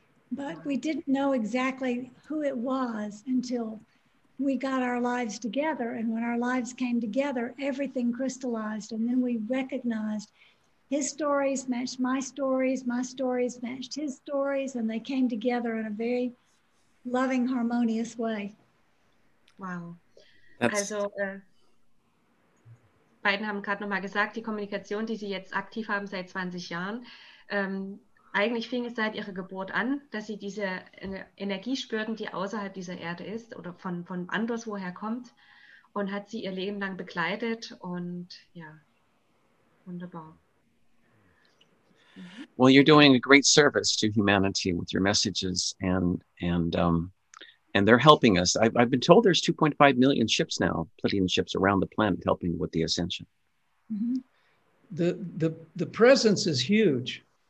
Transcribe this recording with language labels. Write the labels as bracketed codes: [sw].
[en] But we didn't know exactly who it was until we got our lives together. And when our lives came together, everything crystallized. And then we recognized his stories matched my stories matched his stories, and they came together in a very loving, harmonious way. Wow. That's [de] Also, beiden haben gerade nochmal gesagt, die Kommunikation, die sie jetzt aktiv haben seit 20 Jahren, eigentlich fing es seit ihrer Geburt an, dass sie diese Energie spürten, die außerhalb dieser Erde ist oder von anderswoher kommt, und hat sie ihr Leben lang begleitet. Und ja, wunderbar. [en] Well, you're doing a great service to humanity with your messages, and they're helping us. I've been told there's 2.5 million ships now, Pleiadian ships around the planet, helping with the ascension. The presence is huge.